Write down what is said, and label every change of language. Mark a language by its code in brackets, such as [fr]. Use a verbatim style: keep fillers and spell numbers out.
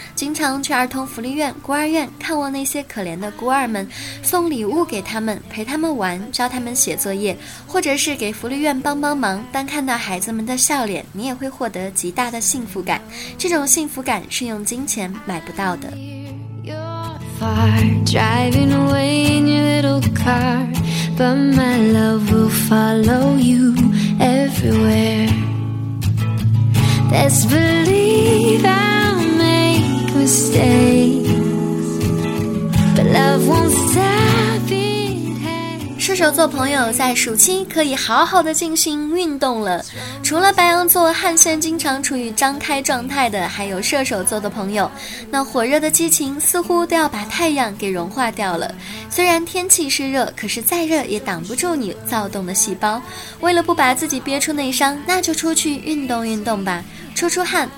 [zh] 经常去儿童福利院、孤儿院看望那些可怜的孤儿们，送礼物给他们，陪他们玩，教他们写作业，或者是给福利院帮帮忙。当看到孩子们的笑脸，你也会获得极大的幸福感，这种幸福感是用金钱买不到的。 [en] Far, driving away in your little car, but my love will follow you everywhere. Best believe I'll make mistakes, but love won't stop it. [zh] 射手座朋友在暑期可以好好的进行运动了。除了白羊座汗腺经常处于张开状态的，还有射手座的朋友，那火热的激情似乎都要把太阳给融化掉了。虽然天气是热，可是再热也挡不住你躁动的细胞，为了不把自己憋出内伤，那就出去运动运动吧，出出汗。